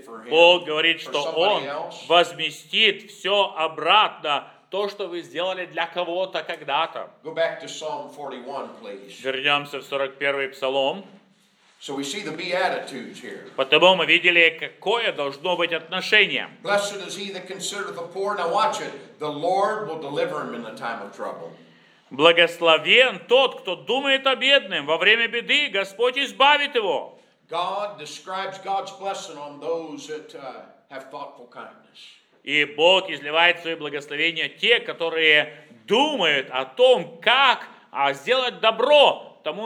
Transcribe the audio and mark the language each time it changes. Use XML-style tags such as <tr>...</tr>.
<ru>Бог говорит, что он возместит все обратно, то, что вы сделали для кого-то когда-то. Вернемся в 41-й Псалом.</ru> <en>So we see the beatitudes here.</en> <ru>Потому мы видели, какое должно быть отношение.</ru> <en>Blessed is he that considereth the poor. Now watch it. The Lord will deliver him in the time of trouble.</en> <ru>Благословен тот, кто думает о бедном. Во время беды Господь избавит его.</ru> <en>God describes God's blessing on those that have thoughtful kindness.</en> <ru>И Бог изливает свое благословение те, которые думают о том, как сделать добро тому</ru>